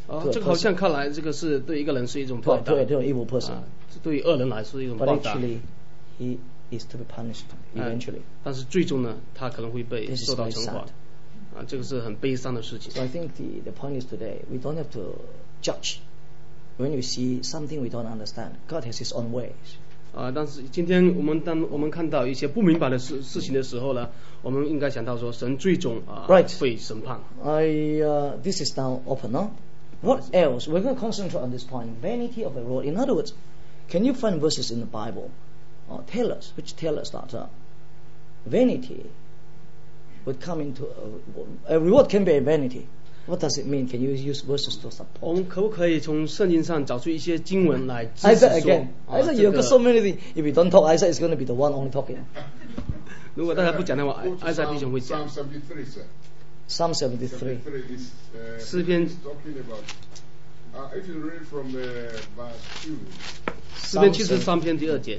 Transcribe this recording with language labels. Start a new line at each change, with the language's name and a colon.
Chinese: 这个好像看来，这个是对一个人是一种报答。对，这种
English: evil person，
Chinese: 对于恶人来说是一种报答。
English: But actually, he is to be punished eventually.
Chinese: 但是最终呢，他可能会被受到惩罚。这个是很悲伤的事情。
English: So I think the point is today, we don't have to judge. When you see something we don't understand, God has His own ways.
Chinese: 但是今天我们当我们看到一些不明白的事情的时候呢，我们应该想到说，神最终
English: right.
Chinese: 会审判。
English: This is now open, no? What else? We're going to concentrate on this point: vanity of a reward. In other words, can you find verses in the Bible, tell us which tell us that vanity would come into a reward can be a vanity. What does it mean? Can you use verses to support?
Chinese: 我们可不可以从圣经上找出一些经文来支持说
English: Isaac again. Isaac, you've got so many things. If you don't talk, Isaac is going to be the one only talking.
Chinese: 如果大家不讲的话 ，Isaac 弟兄会讲。
English: Psalm 73, sir. Psalm 73.
Chinese: 诗篇。
English: Talking about. If you read from verse 2.
Chinese: 诗篇七十三篇第二节。